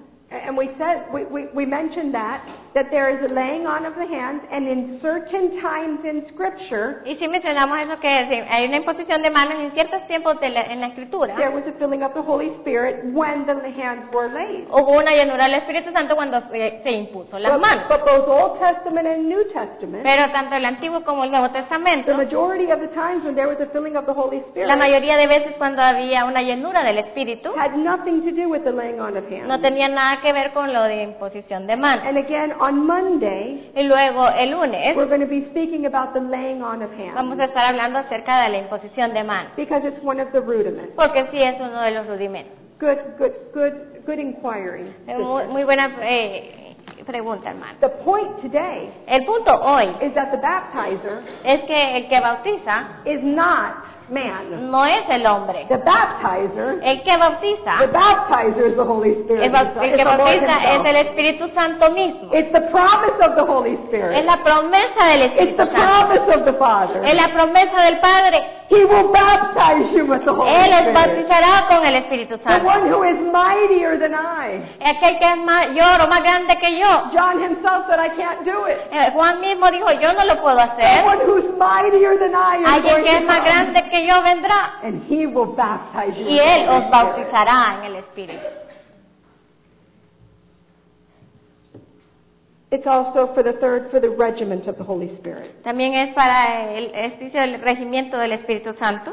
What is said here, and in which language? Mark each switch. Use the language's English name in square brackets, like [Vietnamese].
[English] And we said we mentioned that there is a laying on of the hands, and in certain times in Scripture. [Spanish] Y si mencionamos eso que es, hay una imposición de manos en ciertos tiempos en la Escritura. [English] There was a filling of the Holy Spirit when the hands were laid. [Spanish] Hubo una llenura del Espíritu Santo cuando se impuso las manos. [English] But both Old Testament and New Testament. [Spanish] Pero tanto el Antiguo como el Nuevo Testamento. [English] The majority of the times when there was a filling of the Holy Spirit. [Spanish] La mayoría de veces cuando había una llenura del Espíritu. [English] Had nothing to do with the laying on of hands. [Spanish] No tenía nada que ver con lo de imposición de manos. [English] And again, on Monday, [Spanish] y luego el lunes, [English] we're going to be speaking about the laying on of hands. [Spanish] Vamos a estar hablando acerca de la imposición de manos. [English] Because it's one of the rudiments. [Spanish] Porque sí es uno de los rudimentos. [English] Good inquiry. [Spanish] Muy buena pregunta, hermano. [English] The point today, [Spanish] el punto hoy, [English] is that the baptizer, [Spanish] es que el que bautiza, [English] is not man. [Spanish] No es el hombre. [English] The baptizer, [Spanish] el que bautiza, [English] the baptizer is the Holy Spirit. [Spanish] El que bautiza es el Espíritu Santo mismo. [English] It's the promise of the Holy Spirit. [Spanish] Es la promesa del Espíritu [English] Santo. It's the promise of the Father. [Spanish] Es la promesa del Padre. [English] He will baptize you with the Holy Spirit. [Spanish] Él os bautizará con el Espíritu Santo. [English] The one who is mightier than I. [Spanish] Aquel que es mayor o más grande que yo. [English] John himself said, I can't do it. [Spanish] Juan mismo dijo, yo no lo puedo hacer. [English] The one who's mightier than I is [Spanish] alguien que es más [English] come. [Spanish] Grande que yo vendrá. [English] And he will baptize you [Spanish] y él os bautizará en el Espíritu. [English] It's also for the third, for the regiment of the Holy Spirit. [Spanish] También es para el ejercicio del regimiento del Espíritu Santo.